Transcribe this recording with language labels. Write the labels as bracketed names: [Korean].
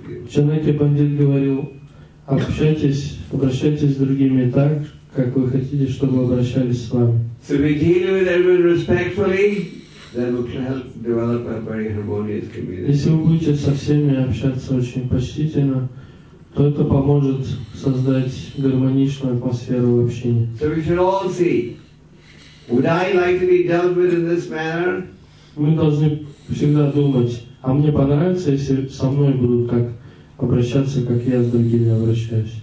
[Russian] Чанаки Пандит говорил, обращайтесь с другими так, как вы хотите, чтобы обращались с вами. [English] So we deal with everyone respectfully, then we can help develop a very harmonious community. [Russian] Если вы будете со всеми общаться очень почтительно, то это поможет создать гармоничную атмосферу в общине. [English] So we should all see, would I like to be dealt with in this manner? [Russian] Мы должны всегда думать, а мне понравится, если со мной будут так обращаться, как я с другими обращаюсь?